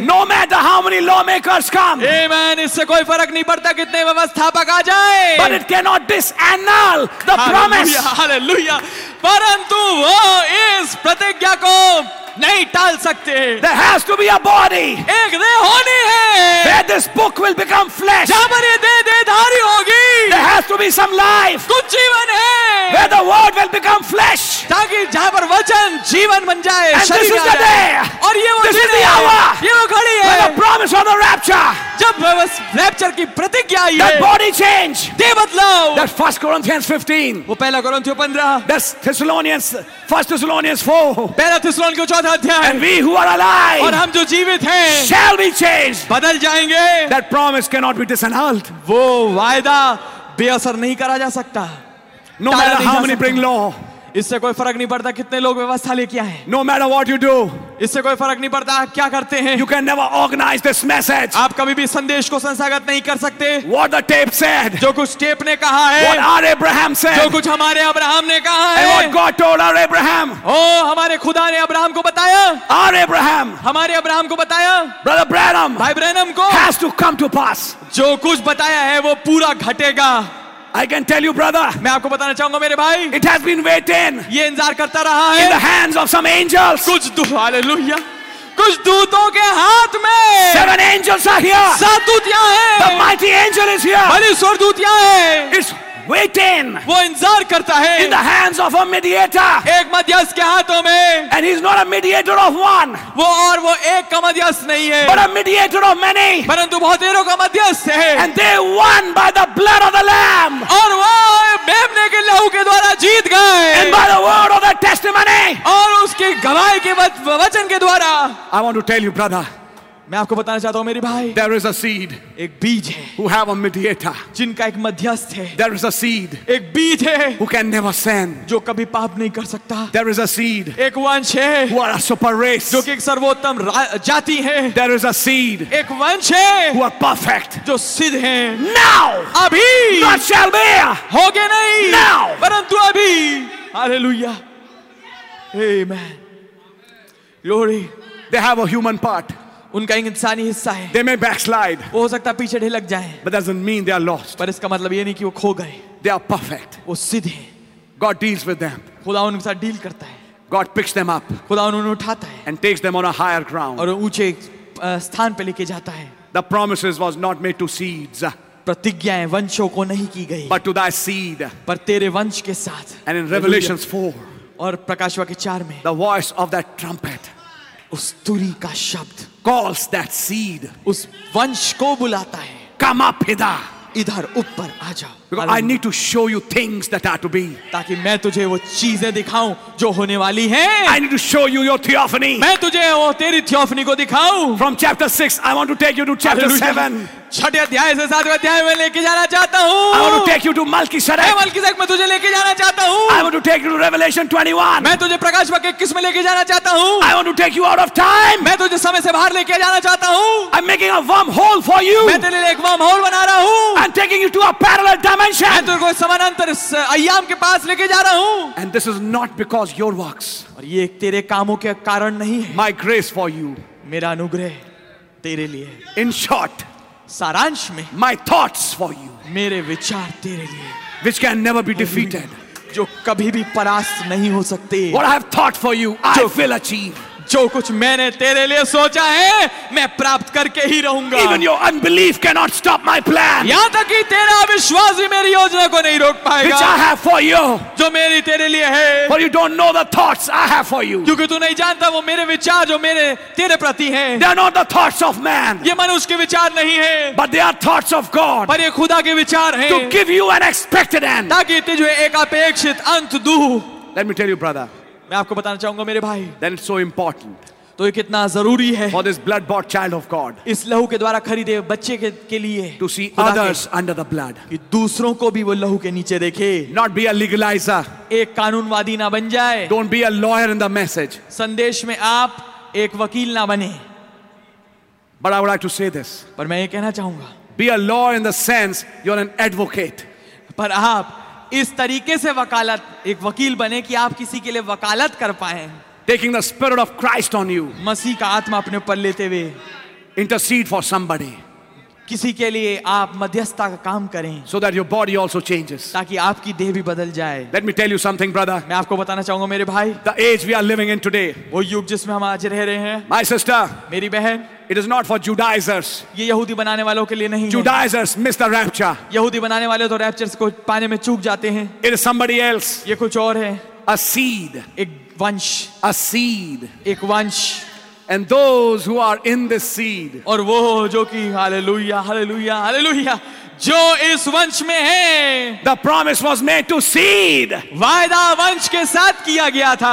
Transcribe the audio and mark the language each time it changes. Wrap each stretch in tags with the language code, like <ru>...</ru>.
<en>No matter how many lawmakers come. Amen.</en> <hi>इससे कोई फर्क नहीं पड़ता कितने व्यवस्थापक आ जाए.</hi> <en>But it cannot disannul the promise.</en> <hi>Hallelujah. परंतु वो इस प्रतिज्ञा को नहीं टाल सकते.</hi> <en>There has to be a body.</en> <hi>एक देह होनी है.</hi> <en>Where this book will become flesh.</en> <hi>जहाँ पर ये देह देहधारी होगी.</hi> <en>There has to be some life.</en> <hi>कुछ जीवन है.</hi> <en>Where the word will become flesh.</en> <hi>ताकि जहाँ पर वचन जीवन बन जाए.</hi> <en>And this is the day.</en> <hi>और ये वो दिन है.</hi> <en>This is the hour.</en> <hi>ये वो घड़ी है.</hi> <en>When the promise of the rapture.</en> <hi>जब उस रैप्चर की प्रतिज्ञा आई है.</hi> <en>The body change.</en> <hi>दे बदलाव.</hi> <en>That 1 Corinthians 15.</en> <hi>वो पहला कुरिन्थियों 15.</hi> <en>That's Thessalonians. 1 Thessalonians 4.</en> <hi>पहला थिस्सलुनीकियों 4 अध्याय.</hi> <en>And we who are alive.</en> <hi>और हम जो जीवित हैं.</hi> <en>Shall be changed.</en> <hi>बदल जाएंगे.</hi> <en>That promise cannot be disannulled.</en> <hi>वो वायदा बेअसर नहीं करा जा सकता.</hi> <en>No matter how many bring law.</en> <hi>इससे कोई फर्क नहीं पड़ता कितने लोग व्यवस्था लेके आए.</hi> <en>No matter what you do.</en> <hi>इससे कोई फर्क नहीं पड़ता क्या करते हैं.</hi> <en>You can never organize this message.</en> <hi>आप कभी भी संदेश को संस्थागत नहीं कर सकते.</hi> <en>What the tape said.</en> <hi>जो कुछ टेप ने कहा है.</hi> <en>What our Abraham said.</en> <hi>जो कुछ हमारे अब्राहम ने कहा है.</hi> <en>And what God told our Abraham.</en> <hi>ओ हमारे खुदा ने अब्राहम को बताया.</hi> <en>Our Abraham.</en> <hi>हमारे अब्राहम को बताया.</hi> <en>Brother Branham.</en> <hi>भाई ब्रैनम को.</hi> <en>Has to come to pass.</en> <hi>जो कुछ बताया है वो पूरा घटेगा.</hi> <en>I can tell you, brother.</en> <hi>मैं आपको बताना चाहूंगा मेरे भाई.</hi> <en>It has been waiting.</en> <hi>ये इंतजार करता रहा है.</hi> <en>In the hands of some angels.</en> <hi>कुछ दूत. Hallelujah. कुछ दूतों के हाथ में.</hi> <en>Seven angels are here.</en> <hi>सात दूत यहाँ हैं.</hi> <en>The mighty angel is here.</en> <hi>बड़े स्वर दूत यहाँ हैं.</hi> <en>It's waiting.</en> <hi>वो इंतजार करता है.</hi> <en>In the hands of a mediator.</en> <hi>एक मध्यस्थ के हाथों में.</hi> <en>And he's not a mediator of one.</en> <hi>वो और वो एक का मध्यस्थ नहीं है.</hi> <en>But a mediator of many.</en> <hi>परंतु बहुतेरों का मध्यस्थ है.</hi> <en>And they won by the blood of the lamb.</en> <hi>और वो मेमने के लहू के द्वारा जीत गए.</hi> <en>And by the word of the testimony.</en> <hi>और उसके गवाही के वचन के द्वारा.</hi> <en>I want to tell you, brother.</en> <hi>मैं आपको बताना चाहता हूँ मेरे भाई.</hi> <en>There is a seed.</en> <hi>एक बीज है.</hi> <en>Who have a mediator.</en> <hi>जिनका एक मध्यस्थ है.</hi> <en>There is a seed.</en> <hi>एक बीज है.</hi> <en>Who can never sin.</en> <hi>जो कभी पाप नहीं कर सकता.</hi> <en>There is a seed.</en> <hi>एक वंश है.</hi> <en>Who are a super race.</en> <hi>जो कि एक सर्वोत्तम जाति है.</hi> <en>There is a seed.</en> <hi>एक वंश है.</hi> <en>Who are perfect.</en> <hi>जो सिद्ध है.</hi> <en>Now.</en> <hi>अभी.</hi> <en>Not shall be.</en> <hi>होगे नहीं.</hi> <en>Now.</en> <hi>परंतु अभी. Hallelujah. Amen. Glory.</hi> <en>They have a human part.</en> <hi>उनका एक इंसानी हिस्सा है.</hi> <en>They may backslide.</en> <hi>वो हो सकता है पीछे ढेर लग जाए.</hi> <en>But doesn't mean they are lost.</en> <hi>पर इसका मतलब ये नहीं कि वो खो गए.</hi> <en>They are perfect.</en> <hi>वो सिद्ध हैं.</hi> <en>God deals with them.</en> <hi>खुदा उनके साथ डील करता है.</hi> <en>God picks them up.</en> <hi>खुदा उन्हें उठाता है.</hi> <en>And takes them on a higher ground.</en> <hi>और ऊंचे स्थान पे लेके जाता है.</hi> <en>The promises was not made to seeds.</en> <hi>प्रतिज्ञाएं वंशों को नहीं की गई.</hi> <en>But to thy seed.</en> <hi>पर तेरे वंश के साथ.</hi> <en>And in Revelations 4.</en> <hi>और प्रकाशवा के 4 में.</hi> <en>The voice of that trumpet.</en> <hi>उस तुरी का शब्द</hi> <en>calls that seed.</en> <hi>उस वंश को बुलाता है.</hi> <en>Come up hither.</en> <hi>इधर ऊपर आ जा.</hi> <en>Because I need to show you things that are to be.</en> <hi>ताकि मैं तुझे वो चीजें दिखाऊं जो होने वाली हैं.</hi> <en>I need to show you your theophany.</en> <hi>मैं तुझे वो तेरी थियोफनी को दिखाऊं.</hi> <en>From chapter 6, I want to take you to chapter 7.</en> <hi>छठे अध्याय से सातवें अध्याय में लेके जाना चाहता हूँ.</hi> <en>I want to take you to Melchizedek.</en> <hi>मैं मल्किसेदेक में तुझे लेके जाना चाहता हूँ.</hi> <en>I want to take you to Revelation 21.</en> <hi>मैं तुझे प्रकाश वाक्य 21 में लेके जाना चाहता हूँ.</hi> <en>I want to take you out of time.</en> <hi>मैं तुझे समय से बाहर लेके जाना चाहता हूँ.</hi> <en>I'm making a wormhole for you.</en> <hi>मैं तेरे लिए एक wormhole बना रहा हूँ.</hi> <en>I'm taking you to a parallel dimension.</en> <hi>मैं तुझे समानांतर अय्याम के पास लेके जा रहा हूँ.</hi> <en>And this is not because your works.</en> <hi>और ये तेरे कामों के कारण नहीं है.</hi> <en>My grace for you.</en> <hi>मेरा अनुग्रह तेरे लिए.</hi> <en>In short.</en> <hi>सारांश में.</hi> <en>My thoughts for you.</en> <hi>मेरे विचार तेरे लिए.</hi> <en>Which can never be defeated.</en> <hi>जो कभी भी परास्त नहीं हो सकते.</hi> <en>What I have thought for you, I will achieve.</en> <hi>जो कुछ मैंने तेरे लिए सोचा है मैं प्राप्त करके ही रहूंगा.</hi> <en>Even your unbelief cannot stop my plan.</en> <hi>यहां तक कि तेरा अविश्वास भी मेरी योजना को नहीं रोक पाएगा.</hi> <en>Which I have for you.</en> <hi>जो मेरी तेरे लिए है.</hi> <en>For you don't know the thoughts I have for you.</en> <hi>क्योंकि तू नहीं जानता वो मेरे विचार जो मेरे तेरे प्रति हैं.</hi> <en>They are not the thoughts of man.</en> <hi>ये मनुष्य के विचार नहीं है.</hi> <en>But they are thoughts of God.</en> <hi>पर ये खुदा के विचार हैं.</hi> <en>To give you an expected end.</en> <hi>ताकि तुझे एक अपेक्षित अंत दूं.</hi> <en>Let me tell you, brother.</en> <hi>मैं आपको बताना चाहूंगा मेरे भाई.</hi> <en>Then it's so important.</en> <hi>तो ये कितना जरूरी है.</hi> <en>For this blood bought child of God.</en> <hi>इस लहू के द्वारा खरीदे बच्चे के लिए.</hi> <en>To see others under the blood.</en> <hi>कि दूसरों को भी वो लहू के नीचे देखे.</hi> <en>Not be a legalizer.</en> <hi>एक कानूनवादी ना बन जाए.</hi> <en>Don't be a lawyer in the message.</en> <hi>संदेश में आप एक वकील ना बने.</hi> <en>But I would like to say this.</en> <hi>पर मैं ये कहना चाहूंगा.</hi> <en>Be a lawyer in the sense you're an advocate.</en> <hi>पर आप इस तरीके से वकालत एक वकील बने कि आप किसी के लिए वकालत कर पाए.</hi> <en>Taking the spirit of Christ on you.</en> <hi>मसीह का आत्मा अपने ऊपर लेते हुए.</hi> <en>Intercede for somebody.</en> <hi>किसी के लिए आप मध्यस्थता का काम करें</hi> <en>so that your body also changes.</en> <hi>ताकि आपकी देह भी बदल जाए.</hi> <en>Let me tell you something, brother.</en> <hi>मैं आपको बताना चाहूंगा मेरे भाई.</hi> <en>The age we are living in today.</en> <hi>वो युग जिसमें हम आज रह रहे हैं.</hi> <en>My sister.</en> <hi>मेरी बहन.</hi> <en>It is not for Judaizers.</en> <hi>ये यहूदी बनाने वालों के लिए नहीं.</hi> <en>Judaizers miss the rapture.</en> <hi>यहूदी बनाने वाले तो रैप्चर्स को पाने में चूक जाते हैं.</hi> <en>It is somebody else.</en> <hi>ये कुछ और है.</hi> <en>A seed.</en> <hi>एक वंश.</hi> <en>A seed.</en> <hi>एक वंश.</hi> <en>And those who are in this seed.</en> <hi>और वो जो कि हालेलुया हालेलुया हालेलुया जो इस वंश में है.</hi> <en>The promise was made to seed.</en> <hi>वायदा वंश के साथ किया गया था.</hi>